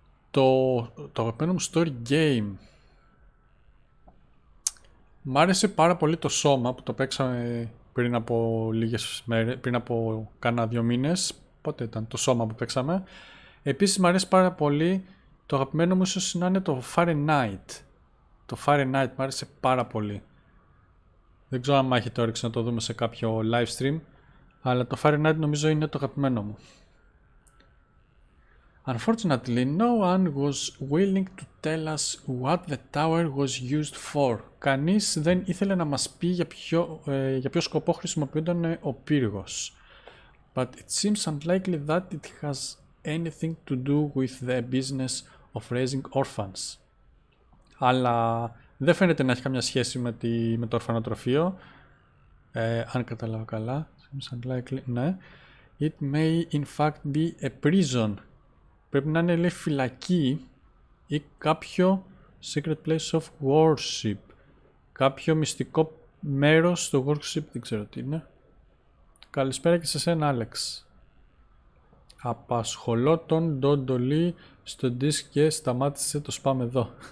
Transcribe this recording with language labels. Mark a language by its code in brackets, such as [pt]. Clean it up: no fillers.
[el] Το αγαπημένο μου story game, μ' άρεσε πάρα πολύ το σώμα που το παίξαμε πριν από λίγες μέρες, πριν από κάνα δύο μήνες. Πότε ήταν το σώμα που παίξαμε? Επίσης μου αρέσει πάρα πολύ το αγαπημένο μου ίσως να είναι το Fahrenheit. Το Fahrenheit μου άρεσε πάρα πολύ. Δεν ξέρω αν έχετε όρεξη να το δούμε σε κάποιο live stream, αλλά το Fahrenheit νομίζω είναι το αγαπημένο μου. [en] Unfortunately, no one was willing to tell us what the tower was used for. [el] Κανείς δεν ήθελε να μας πει για ποιο σκοπό χρησιμοποιούνταν ο πύργος. [en] But it seems unlikely that it has anything to do with the business of raising orphans. [el] Αλλά δεν φαίνεται να έχει καμιά σχέση με το ορφανοτροφείο. Αν καταλάβω καλά. [en] Seems unlikely, ναι. It may in fact be a prison. [el] Πρέπει να είναι λέει φυλακή ή κάποιο [en] secret place of worship. [el] Κάποιο μυστικό μέρος στο worship, δεν ξέρω τι είναι. Καλησπέρα και σε σένα, Άλεξ. Απασχολώ τον Ντόντολι στο disk και σταμάτησε το spam εδώ.